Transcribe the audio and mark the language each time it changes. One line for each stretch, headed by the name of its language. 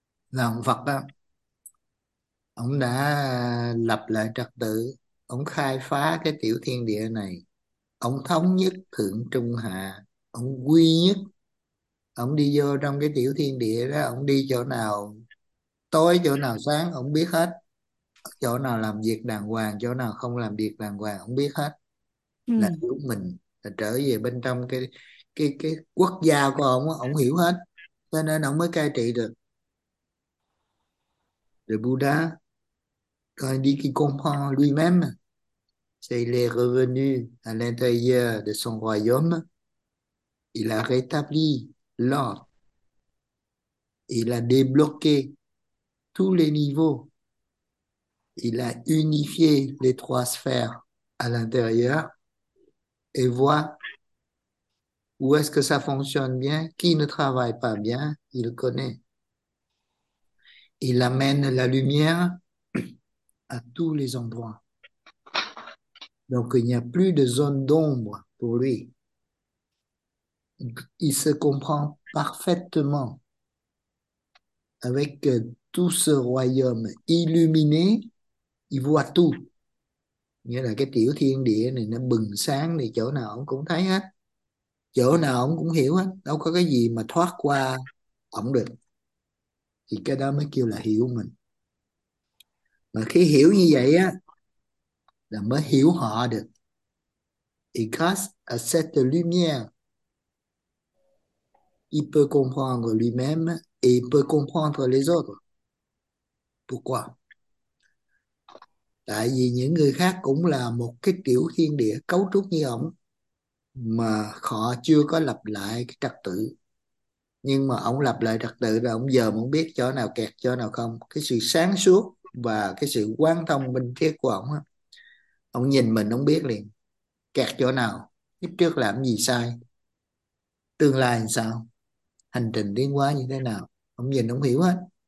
Vietnamese: Là ông Phật đó, ông đã lập lại trật tự, ông khai phá cái tiểu thiên địa này, ông thống nhất thượng trung hạ, ông quy nhất, ông đi vô trong cái tiểu thiên địa đó, ông đi chỗ nào tối chỗ nào sáng ông biết hết, chỗ nào làm việc đàng hoàng chỗ nào không làm việc đàng hoàng ông biết hết, là hiểu mình, là trở về bên trong cái quốc gia của ông hiểu hết, cho nên ông mới cai trị được. Rồi
French: Buddha
Vietnamese: coi đi
French: qui comprend lui-même c'est les revenus à l'intérieur de son royaume, il a rétabli l'ordre, il a débloqué tous les niveaux, il a unifié les trois sphères à l'intérieur et voit où est-ce que ça fonctionne bien, qui ne travaille pas bien, il connaît. Il amène la lumière à tous les endroits. Donc il n'y a plus de zone d'ombre pour lui. Il se comprend parfaitement avec tout ce royaume illuminé. Il voit tout.
Vietnamese: Nghĩa là cái tiểu thiên địa này nó bừng sáng thì chỗ nào ông cũng thấy hết. Chỗ nào ông cũng hiểu hết. Đâu có cái gì mà thoát qua ông được. Thì cái đó mới kêu là hiểu mình. Mà khi hiểu như vậy á là mới hiểu họ được. It casts a set of lumière.
French: Il peut comprendre lui-même et il peut comprendre les autres. Pourquoi?
Vietnamese: Tại vì những người khác cũng là một cái tiểu thiên địa cấu trúc như ổng mà họ chưa có lập lại cái trật tự. Nhưng mà ổng lập lại trật tự rồi ổng giờ muốn biết chỗ nào kẹt, chỗ nào không. Cái sự sáng suốt và cái sự quán thông minh triết của ổng á, ổng nhìn mình ổng biết liền kẹt chỗ nào, kiếp trước làm gì sai, tương lai làm sao, hành trình tiến hóa như thế nào, ổng nhìn ổng hiểu hết.